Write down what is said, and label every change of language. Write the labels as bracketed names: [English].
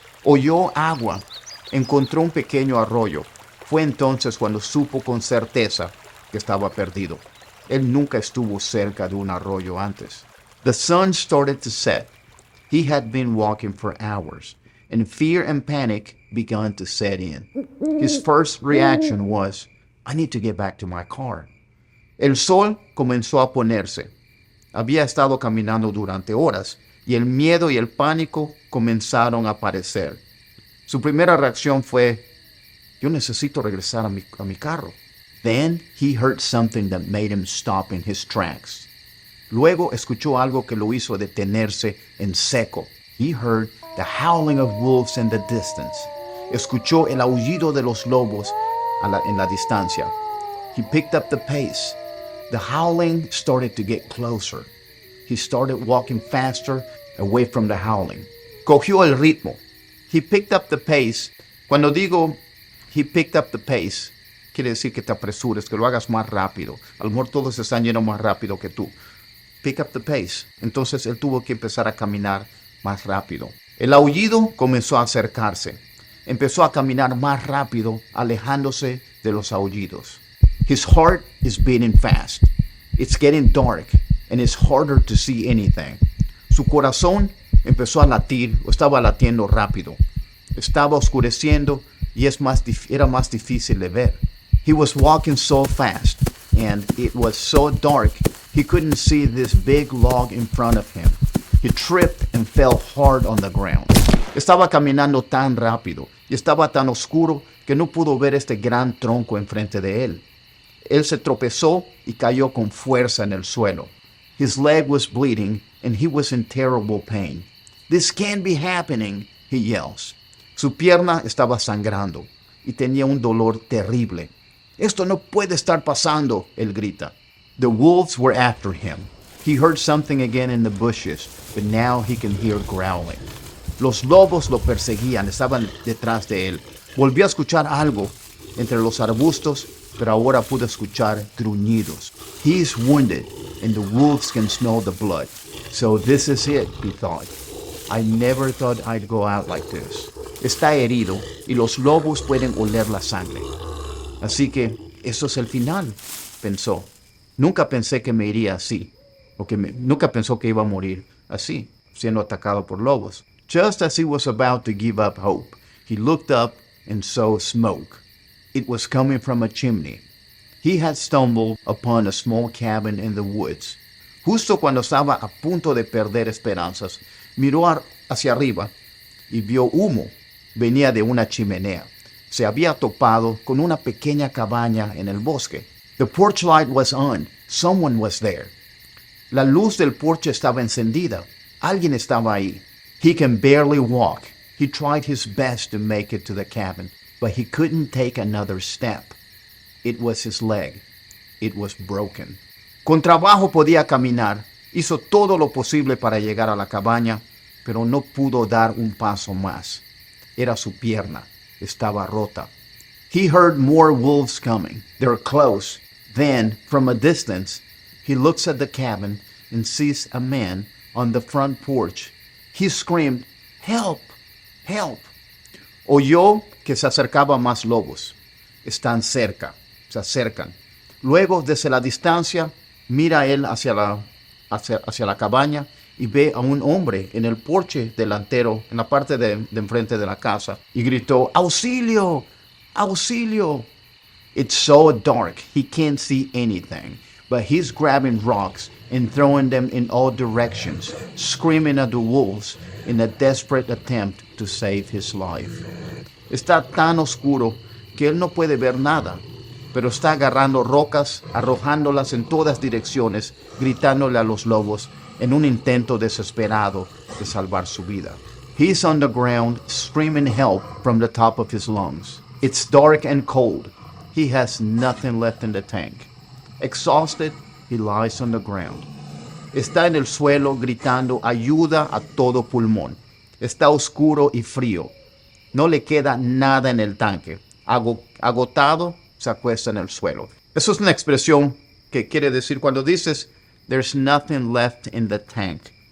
[Spanish] Oyó agua. Encontró un pequeño arroyo. Fue entonces cuando supo con certeza que estaba perdido. Él nunca estuvo cerca de un arroyo antes. [English] The sun started to set. He had been walking for hours, and fear and panic began to set in. His first reaction was, I need to get back to my car. [Spanish] El sol comenzó a ponerse. Había estado caminando durante horas, y el miedo y el pánico comenzaron a aparecer. Su primera reacción fue, yo necesito regresar a mi carro. [English] Then he heard something that made him stop in his tracks. [Spanish] Luego escuchó algo que lo hizo detenerse en seco. [English] He heard the howling of wolves in the distance. [Spanish] Escuchó el aullido de los lobos en la distancia. [English] He picked up the pace. The howling started to get closer. He started walking faster away from the howling. [Spanish] Cogió el ritmo. [English] He picked up the pace. [Spanish] Cuando digo [English] he picked up the pace, [Spanish] quiere decir que te apresures, que lo hagas más rápido. A lo mejor todos están yendo más rápido que tú. [English] Pick up the pace. [Spanish] Entonces él tuvo que empezar a caminar más rápido. El aullido comenzó a acercarse. Empezó a caminar más rápido, alejándose de los aullidos. [English] His heart is beating fast. It's getting dark and it's harder to see anything. [Spanish] Su corazón empezó a latir o estaba latiendo rápido. Estaba oscureciendo y era más difícil de ver. [English] He was walking so fast and it was so dark he couldn't see this big log in front of him. He tripped and fell hard on the ground. [Spanish] Estaba caminando tan rápido y estaba tan oscuro que no pudo ver este gran tronco enfrente de él. Él se tropezó y cayó con fuerza en el suelo. [English] His leg was bleeding and he was in terrible pain. This can't be happening, he yells. [Spanish] Su pierna estaba sangrando y tenía un dolor terrible. Esto no puede estar pasando, él grita. [English] The wolves were after him. He heard something again in the bushes, but now he can hear growling. [Spanish] Los lobos lo perseguían, estaban detrás de él. Volvió a escuchar algo entre los arbustos, pero ahora pudo escuchar gruñidos. [English] He is wounded, and the wolves can smell the blood. So this is it, he thought. I never thought I'd go out like this. [Spanish] Está herido, y los lobos pueden oler la sangre. Así que, eso es el final, pensó. Nunca pensé que me iría así. Nunca pensó que iba a morir así, siendo atacado por lobos. [English] Just as he was about to give up hope, he looked up and saw smoke. It was coming from a chimney. He had stumbled upon a small cabin in the woods. [Spanish] Justo cuando estaba a punto de perder esperanzas, miró hacia arriba y vio humo. Venía de una chimenea. Se había topado con una pequeña cabaña en el bosque. [English] The porch light was on. Someone was there. [Spanish] La luz del porche estaba encendida. Alguien estaba ahí. [English] He can barely walk. He tried his best to make it to the cabin, but he couldn't take another step. It was his leg. It was broken. [Spanish] Con trabajo podía caminar. Hizo todo lo posible para llegar a la cabaña, pero no pudo dar un paso más. Era su pierna. Estaba rota. [English] He heard more wolves coming. They're close. Then, from a distance, he looks at the cabin and sees a man on the front porch. He screamed, help, help. [Spanish] Oyó que se acercaban más lobos. Están cerca, se acercan. Luego, desde la distancia, mira él hacia la cabaña y ve a un hombre en el porche delantero, en la parte de enfrente de la casa, y gritó, auxilio, auxilio. [English] It's so dark, he can't see anything, but he's grabbing rocks and throwing them in all directions, screaming at the wolves in a desperate attempt to save his life. [Spanish] Está tan oscuro que él no puede ver nada, pero está agarrando rocas, arrojándolas en todas direcciones, gritándole a los lobos en un intento desesperado de salvar su vida. [English] He's on the ground, screaming help from the top of his lungs. It's dark and cold. He has nothing left in the tank. Exhausted, he lies on the ground. [Spanish] Está en el suelo gritando ayuda a todo pulmón. Está oscuro y frío. No le queda nada en el tanque. Agotado, se acuesta en el suelo. Eso es una expresión que quiere decir cuando dices, [English] there's nothing left in the tank.